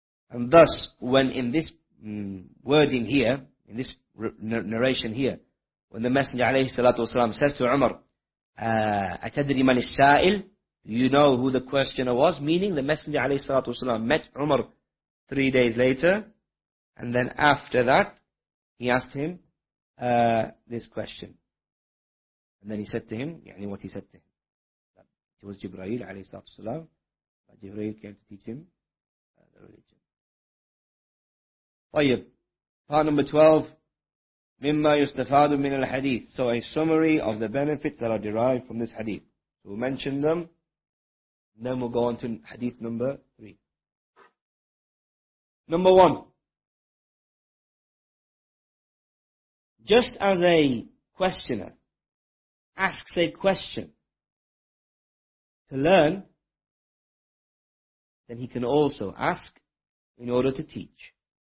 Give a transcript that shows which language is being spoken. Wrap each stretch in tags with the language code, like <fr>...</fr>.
<en>And thus, when in this wording here, in this narration here, when the Messenger alayhi salatu wasalam says to Umar,</en> <ar>أَتَدْرِ مَنِ السَّائِلِ,</ar> <en>you know who the questioner was, meaning the Messenger alayhi salatu wasalam met Umar 3 days later, and then after that, he asked him this question. And then he said to him, يعني what he said to him, that it was Jibreel alayhi salatu wasalam, that Jibreel came to teach him the religion.</en> <ar>طيب,</ar> <en>part number 12,</en> <ar>مما يستفاد من الحديث.</ar> <en>So a summary of the benefits that are derived from this hadith. We'll mention them, and then we'll go on to hadith number 3. Number 1, just as a questioner asks a question to learn, then he can also ask in order to teach.</en>